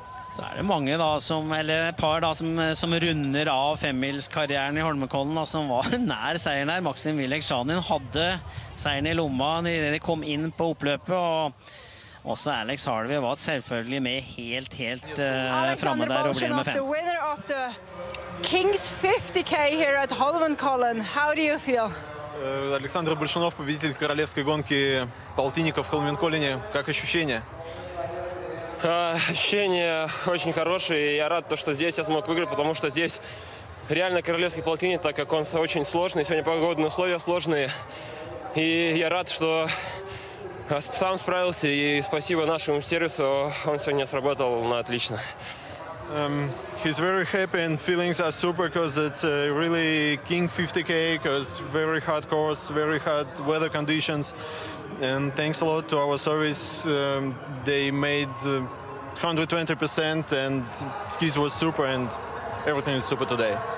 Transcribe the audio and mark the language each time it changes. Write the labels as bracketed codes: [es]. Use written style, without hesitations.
[no] Så det mange da som, eller et par da som runder av femmilskarrieren I Holmenkollen da, som var nær seieren der. Maxim Willek-Janin hadde seieren I lomma I det de kom inn på oppløpet, og også Alex Harvey var selvfølgelig med helt, helt fremme der og ble med fem. [en] Winner of the Kings 50K here at Holmenkollen. How do you feel? [ru] Alexander Bolshunov, победитель королевской гонки полтинников в Холменколлене. Как ощущения? Ощущения очень хорошие, и я рад, что здесь я смог выиграть, потому что здесь реально королевский полтинник, так как он очень сложный, сегодня погодные условия сложные. И я рад, что сам справился, и спасибо нашему сервису, он сегодня сработал на отлично. [en] He's very happy and feelings are super, because it's really King 50K, because very hard course, very hard weather conditions. And thanks a lot to our service. They made 120% and skis was super and everything is super today.